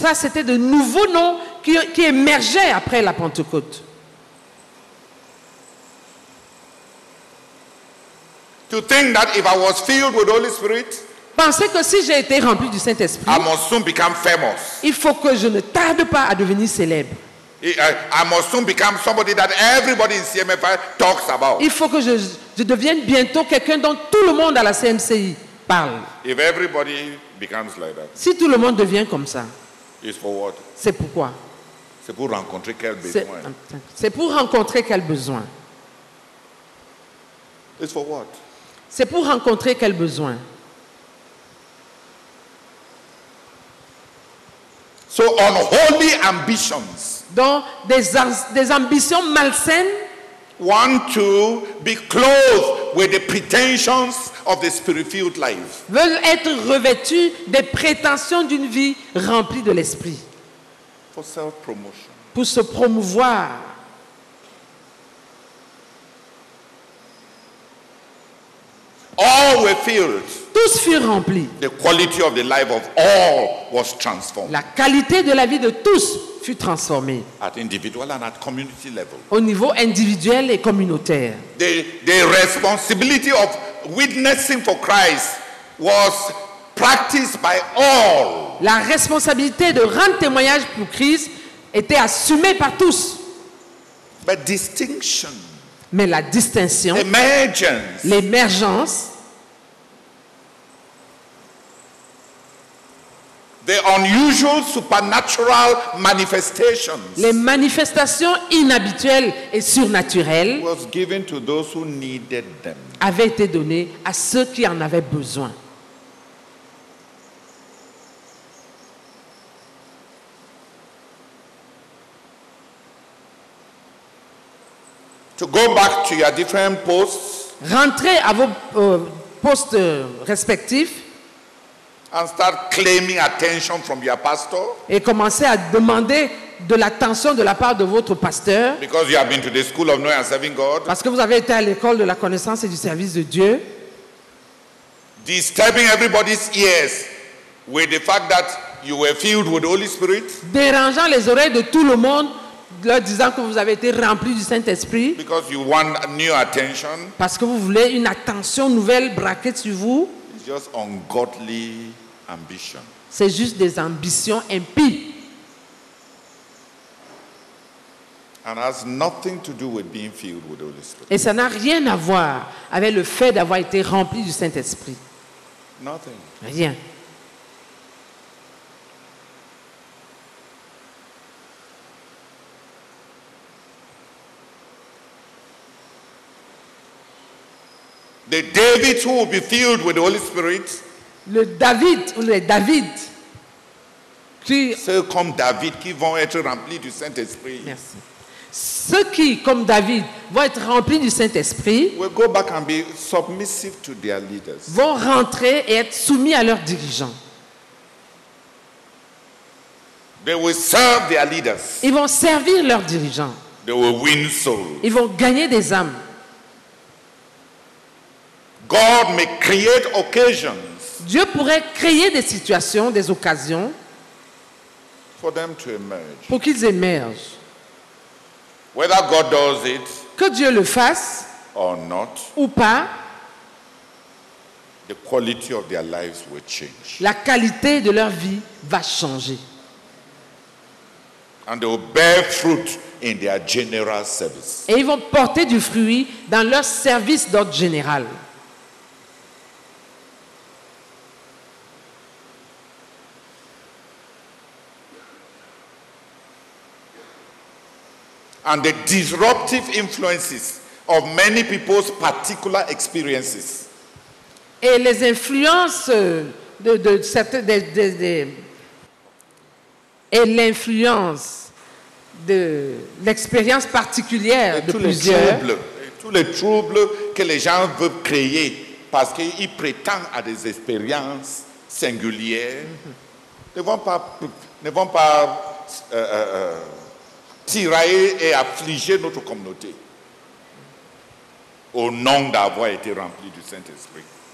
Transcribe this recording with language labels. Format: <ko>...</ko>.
<fr>Ça, c'était de nouveaux noms qui émergeaient après la Pentecôte.</fr> <en>To think that if I was filled with Holy Spirit,</en> <fr>pensez que si j'ai été rempli du Saint-Esprit,</fr> <en>I must soon become famous.</en> <fr>Il faut que je ne tarde pas à devenir célèbre.</fr> <en>I must soon become somebody that everybody in CMFI talks about.</en> <fr>Il faut que je devienne bientôt quelqu'un dont tout le monde à la CMCI parle.</fr> <en>If everybody becomes like that,</en> <fr>si tout le monde devient comme ça,</fr> <en>it's for what?</en> <fr>C'est pourquoi? C'est pour rencontrer quel besoin? C'est pour rencontrer quel besoin?</fr> <en>It's for what?</en> <fr>C'est pour rencontrer quel besoin?</fr> <en>So unholy ambitions.</en> <fr>Donc des ambitions malsaines.</fr> <en>Want to be clothed with the pretensions of the spirit-filled life.</en> <fr>Veulent être revêtus des prétentions d'une vie remplie de l'esprit.</fr> <en>For self-promotion.</en> <fr>Pour se promouvoir.</fr> <en>All were filled.</en> <fr>Tous furent remplis.</fr> <en>The quality of the life of all was transformed.</en> <fr>La qualité de la vie de tous fut transformée.</fr> <en>At individual and at community level.</en> <fr>Au niveau individuel et communautaire.</fr> <en>The responsibility of witnessing for Christ was practiced by all.</en> <fr>La responsabilité de rendre témoignage pour Christ était assumée par tous.</fr> <en>But distinction.</en> <fr>Mais la distinction,</fr> <en>l'émergence, the unusual supernatural manifestations,</en> <fr>les manifestations inhabituelles et surnaturelles</fr> <en>was given to those who needed them.</en> <fr>Avaient été données à ceux qui en avaient besoin.</fr> <en>To go back to your different posts.</en> <fr>Rentrez à vos postes respectifs.</fr> <en>And start claiming attention from your pastor.</en> <fr>Et commencez à demander de l'attention de la part de votre pasteur.</fr> <en>Because you have been to the school of knowing and serving God.</en> <fr>Parce que vous avez été à l'école de la connaissance et du service de Dieu.</fr> <en>Disturbing everybody's ears with the fact that you were filled with the Holy Spirit.</en> <fr>Dérangeant les oreilles de tout le monde. Leur disant que vous avez été rempli du Saint-Esprit.</fr> <en>Because you want new attention.</en> <fr>Parce que vous voulez une attention nouvelle braquée sur vous.</fr> <en>It's just ungodly ambition.</en> <fr>C'est juste des ambitions impies.</fr> <en>And has nothing to do with being filled with the Holy Spirit.</en> <fr>Et ça n'a rien à voir avec le fait d'avoir été rempli du Saint-Esprit.</fr> <en>Nothing.</en> <fr>Rien.</fr> <en>The David who will be filled with the Holy Spirit.</en> <fr>Le David ou les David. Qui, ceux comme David qui vont être remplis du Saint-Esprit. Merci. Ceux qui, comme David, vont être remplis du Saint-Esprit.</fr> <en>Will go back and be submissive to their leaders.</en> <fr>Vont rentrer et être soumis à leurs dirigeants.</fr> <en>They will serve their leaders.</en> <fr>Ils vont servir leurs dirigeants.</fr> <en>They will win souls.</en> <fr>Ils vont gagner des âmes.</fr> <en>God may create occasions.</en> <fr>Dieu pourrait créer des situations, des occasions</fr> <en>for them to emerge.</en> <fr>Pour qu'ils émergent.</fr> <en>Whether God does it</en> <fr>Que Dieu le fasse</fr> <en>or not,</en> <fr>ou pas,</fr> <en>the quality of their lives will change.</en> <fr>La qualité de leur vie va changer.</fr> <en>And they will bear fruit in their general service.</en> <fr>Et ils vont porter du fruit dans leur service d'ordre général.</fr> <en>And the disruptive influences of many people's particular experiences.</en> <fr>Et les influences de certains de et l'influence de l'expérience particulière et de tous plusieurs. Tous les troubles que les gens veulent créer parce qu'ils prétendent à des expériences singulières ne vont pas tirailler et affliger notre communauté au nom d'avoir été rempli du Saint-Esprit.</fr>